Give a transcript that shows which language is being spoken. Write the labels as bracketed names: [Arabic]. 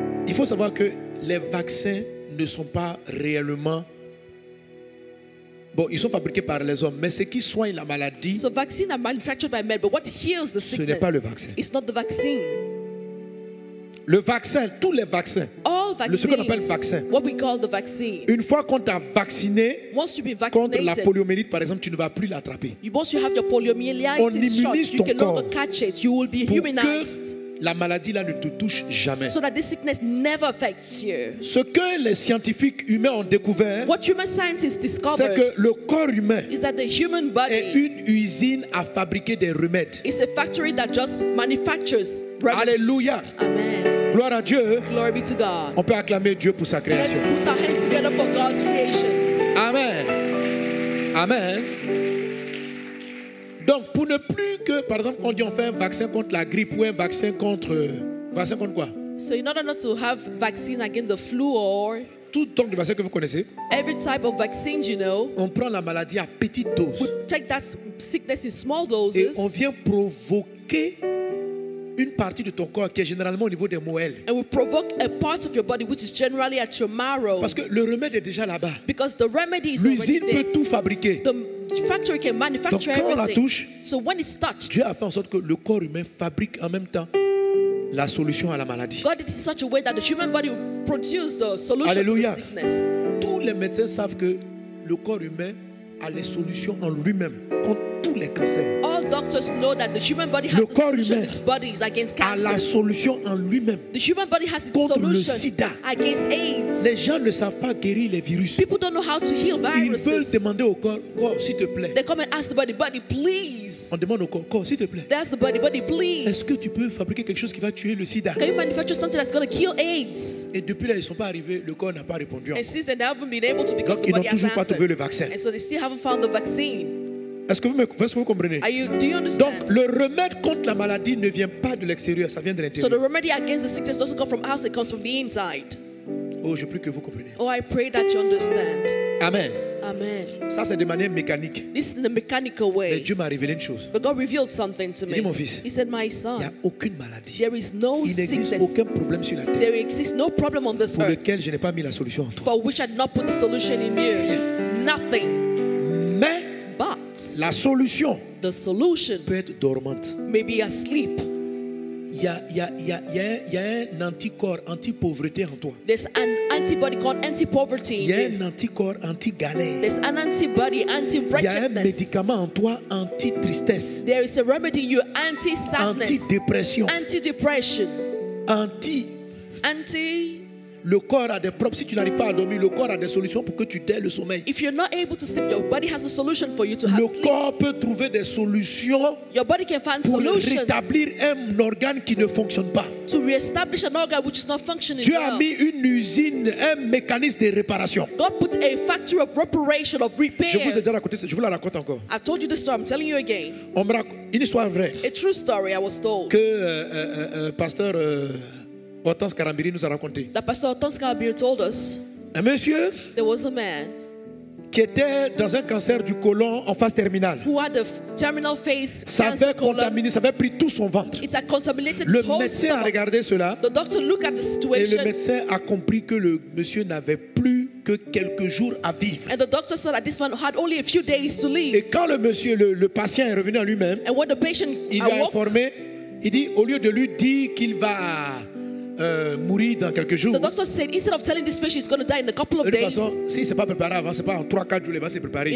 [French] Il faut savoir que les vaccins ne sont pas réellement bon, ils sont fabriqués par les hommes, mais ce qui soigne la maladie, [English] so vaccines are manufactured by men, but what heals the sickness, [French] ce n'est pas le vaccin. [English] It's not the vaccine. [French] Le vaccin, tous les vaccins, [English] all vaccines, [French] ce qu'on appelle vaccin, [English] what we call the vaccine, [French] une fois qu'on t'a vacciné, [English] once you've been [French] vaccinated, contre la poliomyélite, par exemple, tu ne vas plus l'attraper. [English] Once you have your poliomyélite, [French] on immunise [English] shot, [French] ton [English] you [French] corps [English] catch it, you will be [French] pour [English] humanized. [French] Que la maladie là ne te touche jamais. [English] So that this sickness never affects you. [French] Ce que les scientifiques humains ont découvert, [English] what human scientists discovered, [French] c'est que le corps humain [English] is that the human body [French] est une usine à fabriquer des remèdes. [English] It's a factory that just manufactures remedies. [French] Alléluia. [English] Amen. [French] Gloire à Dieu. [English] Glory be to God. [French] On peut acclamer Dieu pour sa création. [English] Let's put our hands together for God's creations. Amen. Amen. [French] Donc, pour ne plus que, par exemple, quand on fait un vaccin contre la grippe ou un vaccin contre quoi? [English] So, in order not to have vaccine against the flu or [French] tout type de vaccin que vous connaissez, [English] every type of vaccines you know, [French] on prend la maladie à petite dose. [English] We take that sickness in small doses. [French] Et on vient provoquer une partie de ton corps qui est généralement au niveau des moelles. [English] And we provoke a part of your body which is generally at your marrow. [French] Parce que le remède est déjà là-bas. [English] Because the remedy is [French] l'usine [English] already there. [French] Peut tout fabriquer. [English] The factory can manufacture [French] donc quand [English] everything. [French] On la touche, [English] so when it's touched, [French] Dieu a fait en sorte que le corps humain fabrique en même temps la solution à la maladie. [English] God did it in such a way that the human body produced the solution. [French] Alléluia. [English] To the sickness. [French] Tous les médecins savent que le corps humain a les solutions en lui-même contre tous les cancers. [English] All doctors know that the human body has [French] le [English] the solution [French] humain [English] its body is against cancer. [French] A la solution en lui-même. [English] The human body has the [French] contre [English] solution [French] le sida. [English] Against AIDS. [French] Les gens ne savent pas guérir les virus. [English] People don't know how to heal viruses. [French] Ils veulent demander au corps s'il te plaît. [English] They come and ask the body, body please. [French] On demande au corps s'il te plaît. [English] They ask the body, body please. [French] Est-ce que tu peux fabriquer quelque chose qui va tuer le sida? [English] Can you manufacture something that's going to kill AIDS? [French] Et depuis là, ils sont pas arrivés, le corps n'a pas répondu. [English] And since they haven't been able to because [French] donc, ils n'ont toujours pas trouvé le vaccin. [English] And so they still haven't found the vaccine. [French] Est-ce que vous comprenez? Donc le remède contre la maladie ne vient pas de l'extérieur, ça vient de l'intérieur. [English] So the remedy against the sickness doesn't come from us, it comes from the inside. [French] Oh, je prie que vous compreniez. [English] Oh, I pray that you understand. [French] Amen. [English] Amen. [French] Ça c'est de manière mécanique. [English] This is the mechanical way. [French] Mais Dieu m'a révélé une chose. [English] But God revealed something to me. [French] Il dit, mon fils, [English] he said, my son, [French] il y a aucune maladie. [English] There is no sickness. [French] Il n'existe aucun problème sur la terre. [English] There exists no problem on this earth. [French] Pour lequel je n'ai pas mis la solution en toi. [English] For which I did not put the solution in you. [French] Rien. [English] Nothing. [French] Mais [English] but [French] la solution, [English] the solution [French] peut être dormante. [English] Maybe asleep. [French] Il y a un anticorps anti-pauvreté en toi. [English] There's an antibody called anti-poverty. [French] Il y a un anticorps anti-galère. [English] There's an antibody anti-wretchedness. [French] Il y a un médicament en toi anti-tristesse. [English] There is a remedy in you anti-sadness. [French] Anti-dépression. [English] Anti-depression. [French] Anti. Le corps a des problèmes. Si tu n'arrives pas à dormir, le corps a des solutions pour que tu aies le sommeil. [English] If you're not able to sleep, your body has a solution for you to have [French] le [English] sleep. [French] Le corps peut trouver des solutions. [English] Your body can find [French] pour [English] solutions. [French] Pour rétablir un organe qui ne fonctionne pas. [English] To reestablish an organ which is not functioning. [French] Dieu a mis une usine, un mécanisme de réparation. [English] God put a factory of reparation of repair. [French] Je vous ai déjà raconté, je vous la raconte encore. [English] I told you this story. I'm telling you again. [French] On me raconte une histoire vraie. [English] A true story I was told. [French] Que pasteur. Hortense Karambiri nous a raconté. [English] The pastor Hortense Karambiri told us. [French] Un monsieur. [English] There was a man. [French] Qui était dans un cancer du côlon en phase terminale. [English] Who had a terminal phase. [French] Ça avait contaminé, ça avait pris tout son ventre. [English] It had contaminated. [French] Le médecin a regardé cela. [English] The doctor looked at the situation. [French] Et le médecin a compris que le monsieur n'avait plus que quelques jours à vivre. [English] And the doctor saw that this man had only a few days to live. [French] Et quand le monsieur, le patient est revenu à lui-même. [English] And when the patient [French] il a informé, il dit au lieu de lui dire qu'il va mourir dans quelques jours. [English] The doctor said instead of telling this patient he's going to die in a couple of days. [French] De toute façon, si c'est pas préparé avant, c'est pas en 3 4 jours, il va se préparer.